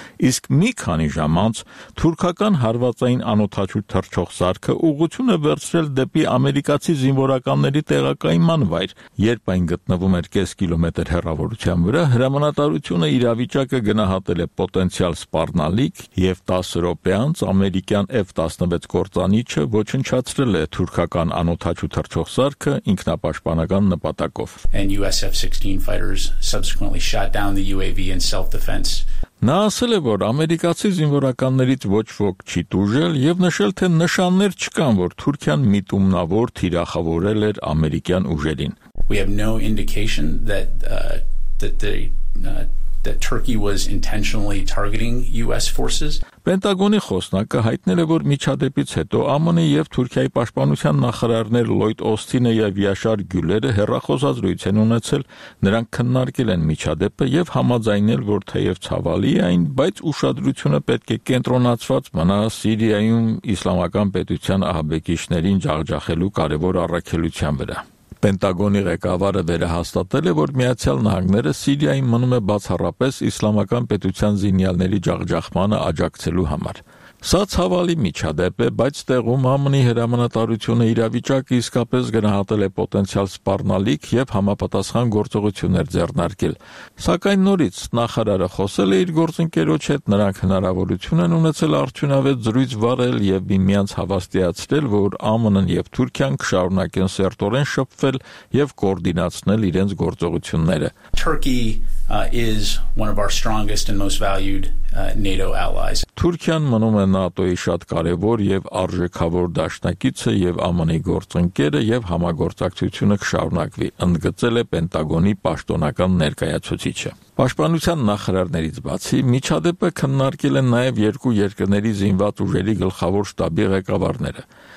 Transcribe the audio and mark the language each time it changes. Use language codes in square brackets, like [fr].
[hy] իսկ մի քանի ժամ անց թուրքական հարվածային անօթաչու թռչող սարքը ուղղություն է վերցրել դեպի ամերիկացի զինվորականների տեղակայման վայր, երբ այն գտնվում էր կես կիլոմետր հեռավորության վրա։ հրամանատարությունը իրավիճակը գնահատել է պոտենցիալ սպառնալիք, և 10 րոպե անց ամերիկյան F-16 կործանիչը ոչնչացրել է թուրքական անօթաչու թռչող սարքը ինքնապաշտպանական նպատակով։ [en] USF-16 fighters subsequently shot down the UAV in self-defense. [hy] Նա ասել է, որ ամերիկացի զինվորականներից ոչ ոք չի տուժել, և նշել, թե նշաններ չկան, որ Թուրքիան միտումնավոր թիրախավորել էր ամերիկյան ուժերին։ [en] We have no indication that Turkey was intentionally targeting US forces. [hy] Պենտագոնի խոսնակը հայտնել է, որ միջադեպից հետո ԱՄՆ-ի և Թուրքիայի պաշտպանության նախարարներ Լոյդ Օստինը և Յաշար Գյուլերը հեռախոսած զրույց են ունեցել, նրանք քննարկել են միջադեպը և համաձայնել, որ թեև ցավալի է այն, բայց ուշադրությունը պետք է կենտրոնացված մնա Սիրիայում Իսլամական պետության ահաբեկիչներին ջախջախելու կարևոր առաքելության վրա։ Պենտագոնի ղեկավարը վերահաստատել է, որ Միացյալ Նահանգները Սիրիայում մնում է բացառապես Իսլամական պետության զինյալների ջախջախմանը աջակցելու համար։ Սա ցավալի միջադեպ է, բայց տեղում ԱՄՆ-ի հրամանատարությունը իրավիճակը իսկապես գնահատել է պոտենցիալ սպառնալիք և համապատասխան գործողություններ ձեռնարկել։ Սակայն նորից նախարարը խոսել է իր գործընկերոջ հետ, նրանք հնարավորություն են ունեցել արդյունավետ զրույց վարել և միմյանց հավաստիացրել, որ ԱՄՆ-ն և Թուրքիան կշարունակեն սերտորեն շփվել և կոորդինացնել իրենց գործողությունները։ [en] Is one of our strongest and most valued NATO allies. [hy] Թուրքիան մնում է ՆԱՏՕ-ի շատ կարևոր և արժեքավոր դաշնակիցը և ԱՄՆ-ի գործընկերը, և համագործակցությունը կշարունակվի, ընդգծել է Պենտագոնի պաշտոնական ներկայացուցիչը։ Պաշտպանության նախարարներից բացի միջադեպը քննարկել են նաև երկու երկրների զինված ուժերի գլխավոր շտաբի ղեկավարները։